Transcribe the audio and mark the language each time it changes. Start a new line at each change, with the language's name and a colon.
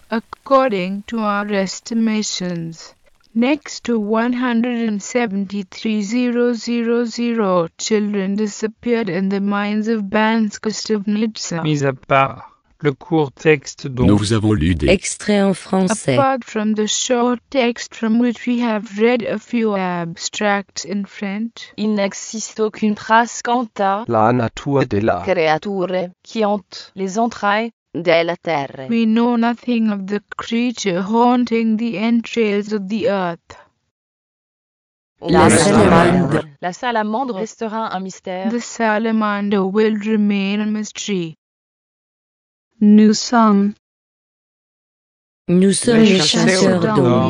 English: According to our estimations, next to 173,000 children disappeared in the mines of Banska Štiavnica.
French: Mis à part le court texte dont nous vous avons lu des extraits en français.
English: Apart from the short text from which we have read a few abstracts in French,
French: il n'existe aucune trace quant à la nature de la créature qui hante les entrailles de la terre.
English: We know nothing of the creature haunting the entrails of the earth.
French: La salamandre restera un mystère.
English: The salamander will remain a mystery.
French: Nous sommes les chasseurs d'ombre.